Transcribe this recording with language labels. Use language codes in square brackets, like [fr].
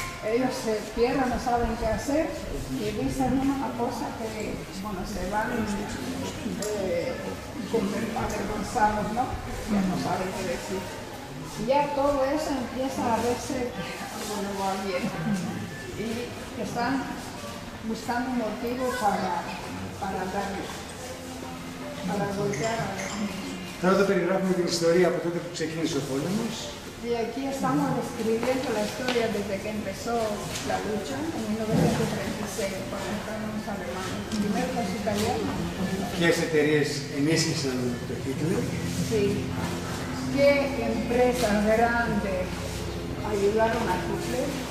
[es] Ellos se pierden, no saben qué hacer y dicen una cosa que, bueno, se van avergonzados, ¿no? Ya no saben qué decir. Y ya todo eso empieza a verse que no va bien y que están buscando un motivo para darle, para golpear a la gente. [el] Θα το περιγράφουμε την ιστορία από τότε που ξεκίνησε ο πόλεμος. [es] Y aquí estamos describiendo la historia desde que empezó la lucha en 1936, cuando entraron los alemanes. Primero los italianos. ¿Qué [el] εταιρείες ενίσχυσαν το Hitler? [es] Sí. ¿Qué empresas grandes ayudaron a Hitler?